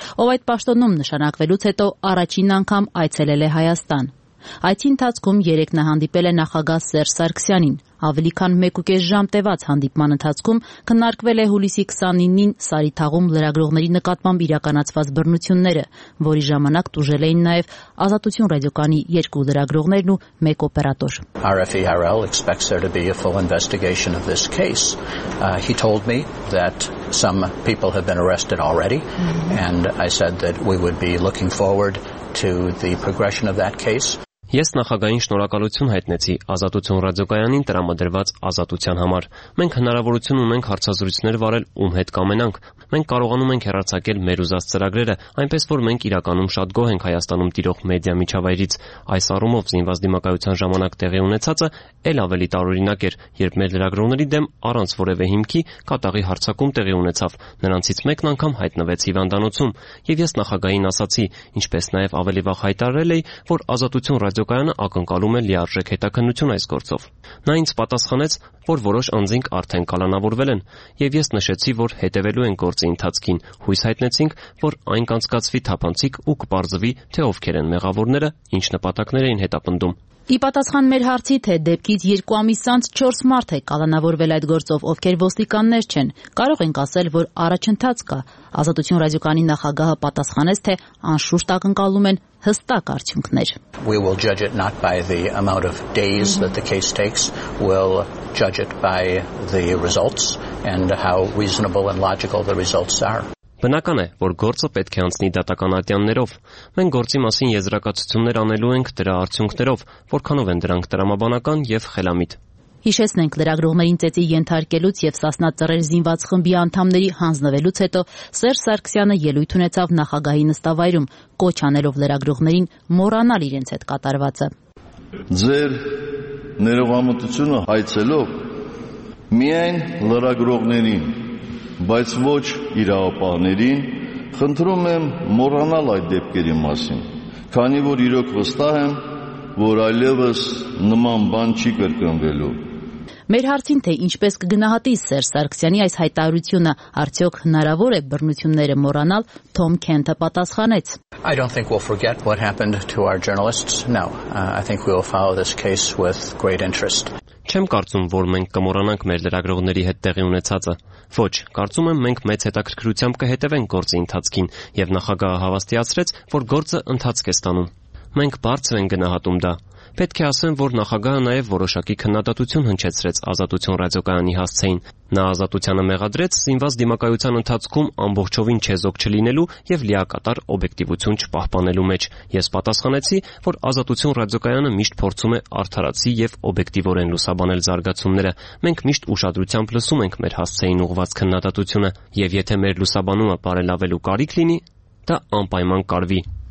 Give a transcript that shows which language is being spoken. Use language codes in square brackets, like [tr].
[hy] ով այդ պաշտոնում նշանակվելուց հետո առաջին անգամ այցելել է Հայաստան։ Այդ ընթացքում երեկ նա հանդիպել է նախագահ Սերժ Սարգսյանին։ Ավելի քան 1.5 ժամ տևած հանդիպման ընթացքում քննարկվել է հուլիսի 29-ին Սարի թաղում լրագրողների նկատմամբ իրականացված բռնությունները, որի ժամանակ տուժել էին նաև Ազատություն ռադիոկանի երկու լրագրողներն ու մեկ օպերատոր։ [en] RFERL expects there to be a full investigation of this case. He told me that some people have been arrested already and I said that we would be looking forward to the progression of that case. [hy] Ես նախագահային շնորհակալություն հայտնեցի Ազատություն ռադիոկայանին տրամադրված ազատության համար։ Մենք հնարավորություն ունենք հարցազրույցներ վարել, ում հետ կամենանք։ Մենք կարողանում ենք հեռարձակել մեր ուզած ծրագրերը, այնպես որ մենք իրականում շատ գոհ ենք Հայաստանում տիրող մեդիա միջավայրից։ Այս առումով զինված դիմակայության ժամանակ տեղի ունեցածը էլ ավելի տարօրինակ էր, երբ մեր լրագրողների դեմ առանց որևէ հիմքի կատաղի հարձակում տեղի ունեցավ, նրանցից մեկն անգամ հայտնվեց հիվանդանոցում, և ես նախագահին ասացի, ինչպես նաև ավելի վաղ հայտարարել էի, որ Ազատություն ռադիոկայանը ակնկալում է լիարժեք հետաքննություն այս գործով։ Նա ինձ պատասխանեց, որ որոշ անձինք արդեն կալանավորվել են, և ես նշեցի, որ հետևելու են գործի ընթացքին, հույս հայտնեցինք, որ այն կանցկացվի թափանցիկ ու կպարզվի, թե ովքեր են մեղավորները, ինչ նպատակներ էին հետապնդում։ Ի պատասխան մեր հարցի, թե դեպքից 2 ամիս անց 4 մարդ է կալանավորվել այդ գործով, ովքեր ոստիկաններ չեն, կարող ենք ասել, որ առաջընթաց կա։ Ազատություն ռադիոկանի նախագահը պատասխանեց, թե անշուշտ ակնկալում են հստակ արդյունքներ։ [en] We will judge it not by the amount of days that the case takes, we'll judge it by the results and how reasonable and logical the results are. [hy] Բնական է, որ գործը պետք է անցնի դատական ատյաններով։ Մենք գործի մասին եզրակացություններ անելու ենք դրա արդյունքներով, որքանով են դրանք տրամաբանական և խելամիտ։ Հիշեցնենք, լրագրողներին ծեցի ենթարկելուց և սասնած ծռեր զինված խմբի անդամների հանձնվելուց հետո Սերժ Սարգսյանը ելույթ ունեցավ նախագահի նստավայրում, կոչ անելով լրագրողներին մոռանալ իրենց հետ կատարվածը։ Ձեր ներողամտությունը հայցելով միայն լրագրողներին, բայց ոչ իրավապահներին, խնդրում եմ մոռանալ այդ դեպքերի մասին, քանի որ իրոք վստահ եմ, որ այլևս նման բան չի կրկնվելու։ Մեր հարցին, թե ինչպես կգնահատի Սերժ Սարգսյանի այս հայտարարությունը, արդյոք հնարավոր է բռնությունները մոռանալ, Թոմ Քենթը պատասխանեց. [en] I don't think we'll forget what happened to our journalists. No, I think we will follow this case with great interest. [hy] Չեմ կարծում, որ մենք կմոռանանք մեր լրագրողների հետ տեղի ունեցածը։ Ոչ, կարծում եմ, մենք մեծ հետաքրքրությամբ կհետևենք գործի ընթացքին, և նախագահը հավաստիացրեց, որ գործը ընթացք է ստանում։ Մենք բարձր ենք գնահատում դա։ Պետք է ասեմ, որ նախագահը նաև որոշակի քննադատություն հնչեցրեց Ազատություն ռադիոկայանի հասցեին։ Նա ազատությանը մեղադրեց զինված դիմակայության ընթացքում ամբողջովին չեզոք չլինելու և լիակատար օբյեկտիվություն չպահպանելու մեջ։ Ես պատասխանեցի, որ Ազատություն ռադիոկայանը միշտ փորձում է արդարացի և օբյեկտիվորեն լուսաբանել զարգացումները։ Մենք միշտ ուշադրությամբ լսում ենք մեր հասցեին ուղված քննադատությունը, և եթե մեր լուսաբանումը բարելավելու կարիք լինի, դա անպայման կարվի։